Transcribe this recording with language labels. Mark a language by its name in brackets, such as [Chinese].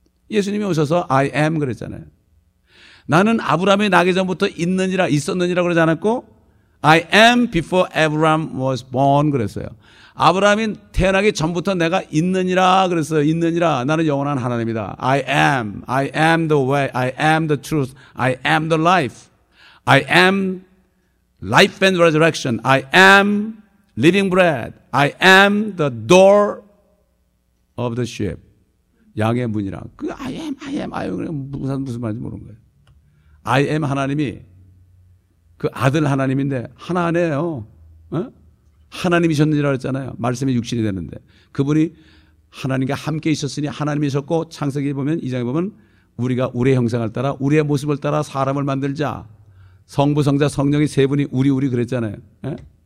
[Korean] 예수님이 오셔서 [English] I am [Korean] 그랬잖아요. 나는 아브라함이 나기 전부터 있는지라 있었는지라 그러지 않았고 [English] I am before Abraham was born [Korean] 그랬어요. 아브라함이 태어나기 전부터 내가 있느니라 그랬어요. 있느니라. 나는 영원한 하나님이다. [English] I am. I am the way. I am the truth. I am the life. I am life and resurrection. I am living bread. I am the door of the sheep. [Korean] 양의 문이라. 그 [English] I am. I am. I am. [Korean] 무슨 말인지 모르는 거예요. [English] I am [Korean] 하나님이 그 아들 하나님인데 하나 아니에요. 어? 하나님이셨느니라 그랬잖아요. 말씀이 육신이 됐는데 그분이 하나님과 함께 있었으니 하나님이셨고 창세기 보면 2장에 보면 우리가 우리의 형상을 따라 우리의 모습을 따라 사람을 만들자 성부 성자 성령이 세 분이 우리 그랬잖아요. 에?